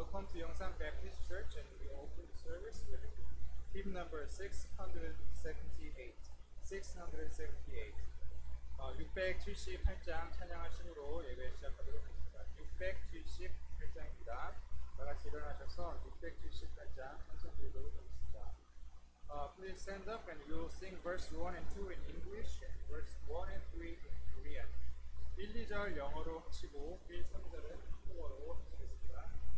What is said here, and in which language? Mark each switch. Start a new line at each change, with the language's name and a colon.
English: Yongsan Baptist Church, and we open the service with hymn number 678. 678.
Korean: 678장 찬양하심으로 예배 시작하도록 하겠습니다. 678장입니다. 다 같이 일어나셔서 678장 찬송드리도록 하겠습니다.
English: Please stand up and we will sing verse 1 and 2 in English and verse 1 and 3 in Korean.
Korean: 1, 2절 영어로 하시고 1, 3절은 한국어로 하시겠습니다.